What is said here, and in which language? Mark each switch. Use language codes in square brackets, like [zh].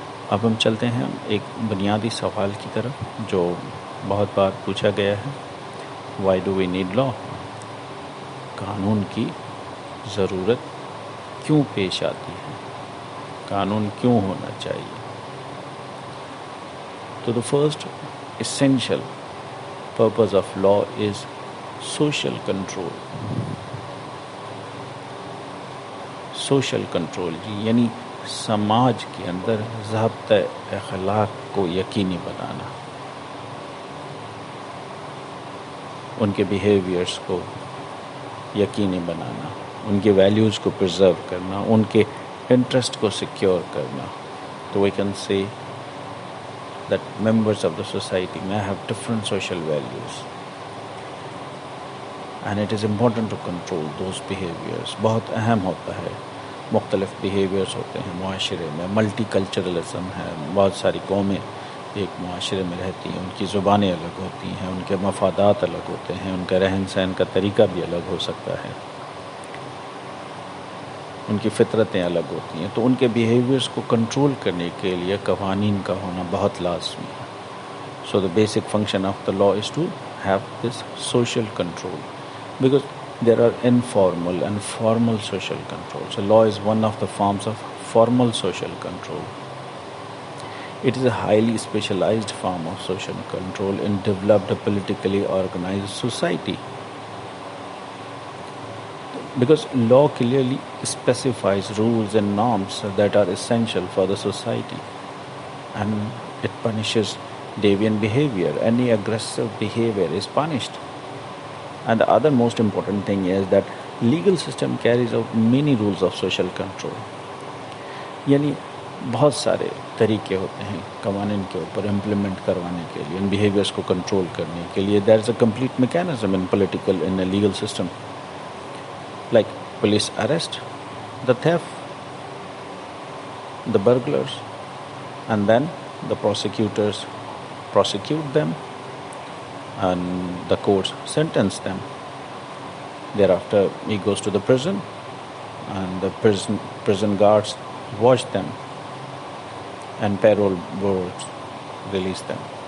[ur] اب ہم چلتے ہیں ایک بنیادی سوال کی طرف جو بہت بار پوچھا گیا ہے, [en] why do we need law, [ur] قانون کی ضرورت کیوں پیش آتی ہے, قانون کیوں ہونا چاہیے. [en] تو the first essential purpose of law is social control. [ur] Social control یعنی سماج کے اندر ضابطۂ اخلاق کو یقینی بنانا, ان کے بیہیویئرس کو یقینی بنانا, ان کے ویلیوز کو پرزرو کرنا, ان کے انٹرسٹ کو سیکیور کرنا. [en] تو we can say that members of the society may have different social values and it is important to control those behaviours. [ur] بہت اہم ہوتا ہے, مختلف بیہیویئرس ہوتے ہیں معاشرے میں, ملٹی کلچرلزم ہے, بہت ساری قومیں ایک معاشرے میں رہتی ہیں, ان کی زبانیں الگ ہوتی ہیں, ان کے مفادات الگ ہوتے ہیں, ان کا رہن سہن کا طریقہ بھی الگ ہو سکتا ہے, ان کی فطرتیں الگ ہوتی ہیں. تو ان کے بیہیویئرس کو کنٹرول کرنے کے لیے قوانین کا ہونا بہت لازمی ہے. [en] So the basic function of the law is to have this social control, because there are informal and formal social control. So law is one of the forms of formal social control. It is a highly specialised form of social control in developed politically organised society, because law clearly specifies rules and norms that are essential for the society and it punishes deviant behaviour. Any aggressive behaviour is punished. And the other most important thing is that legal system carries out many rules of social control. [ur] یعنی بہت سارے طریقے ہوتے ہیں قوانین کے اوپر implement کروانے کے لیے, ان بیہیویئرس کو کنٹرول کرنے کے لیے. [en] There is a complete mechanism in political in a legal system, like police arrest the thief, the burglars, and then the prosecutors prosecute them and the courts sentence them. Thereafter he goes to the prison and the prison guards watch them and parole boards release them.